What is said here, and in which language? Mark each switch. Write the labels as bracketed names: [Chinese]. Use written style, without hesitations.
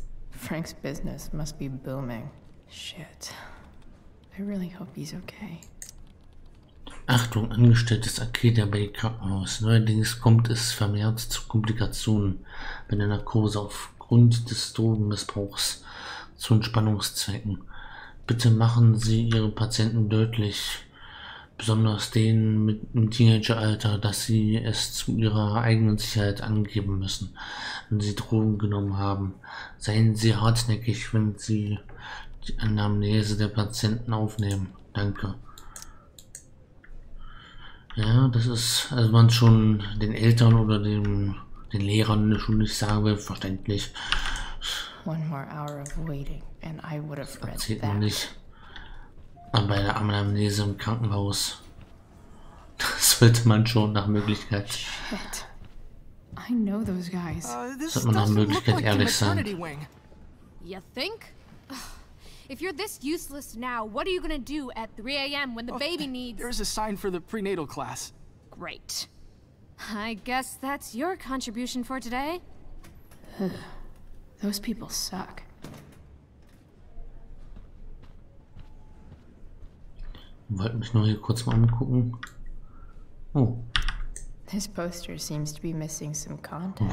[English] Frank's business must be booming. Shit. I really hope he's okay. [German] Achtung, angestelltes Akita-Bay-Krankenhaus. Neuerdings kommt es vermehrt zu Komplikationen, wenn der Narkose aufgrund des Drogenmissbrauchs zu Entspannungszwecken. Bitte machen Sie Ihre Patienten deutlich, besonders denen mit dem Teenageralter, dass sie es zu ihrer eigenen Sicherheit angeben müssen, wenn sie Drogen genommen haben. Seien Sie hartnäckig, wenn Sie die Anamnese der Patienten aufnehmen. Danke. Ja, das ist, also man schon den Eltern oder den Lehrern schon nicht sagen will, verständlich. [English] One more hour of waiting and I would have read [German] that. Erzählt man nicht. Aber bei der Anamnese im Krankenhaus, das sollte man schon nach Möglichkeit. [English] Shit. I know those guys. [German] Sollte man nach Möglichkeit ehrlich sein. [English] You think? If you're this useless now, what are you gonna do at 3 a.m. when the baby needs... There's a sign for the prenatal class. Great. I guess that's your contribution for today. Ugh. Those people suck. [German] Wollt mich nur hier kurz mal angucken. Oh. [English] This poster seems to be missing some content.